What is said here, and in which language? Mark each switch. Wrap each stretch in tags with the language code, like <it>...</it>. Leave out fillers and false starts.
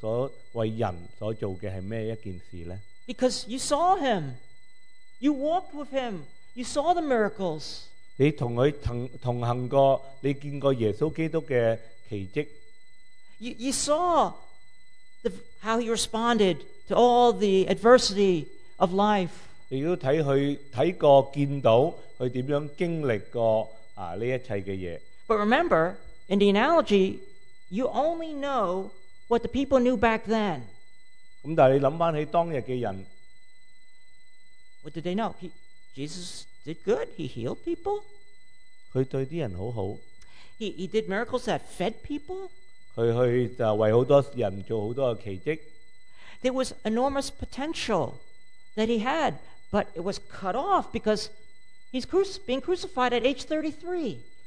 <zh>你想想那天耶稣基督为人所做的是什么一件事呢?</zh> <en>Because you saw him. You walked with him. You saw the miracles.</en> <zh>你跟他同行过，你见过耶稣基督的奇迹。</zh> <en>You saw how he responded to all the adversity of life.</en> <zh>你也看他，看过，见到他怎样经历过这一切的事。</zh> <en>But remember, in the analogy, you only know what the people knew back then.</en> <zh>但你想起当日的人,</zh> <en>what did they know? Jesus did good. He healed people.</en> <zh>他对人很好,</zh> <en>he did miracles that fed people.</en> <zh>他为很多人做很多奇迹,</zh> <en>there was enormous potential that he had, but it was cut off because he's being crucified at age 33.</en>